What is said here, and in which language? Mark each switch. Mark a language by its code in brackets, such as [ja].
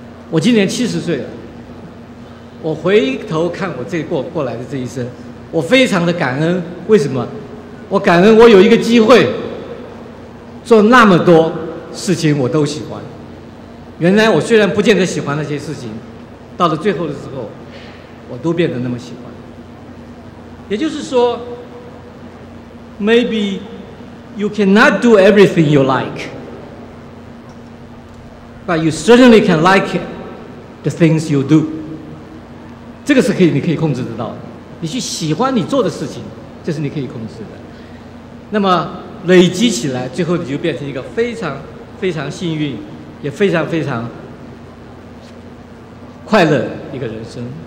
[zh] 我今年70岁了，我回头看我这过来的这一生，我非常的感恩。为什么？我感恩我有一个机会做那么多事情我都喜欢。原来我虽然不见得喜欢那些事情，到了最后的时候我都变得那么喜欢。也就是说， [en] maybe you cannot do everything you like, but you certainly can like the things you do. [zh] 这个是可以，你可以控制得到的，你去喜欢你做的事情，这是你可以控制的。那么累积起来，最后你就变成一个非常非常幸运也非常非常快乐一个人生。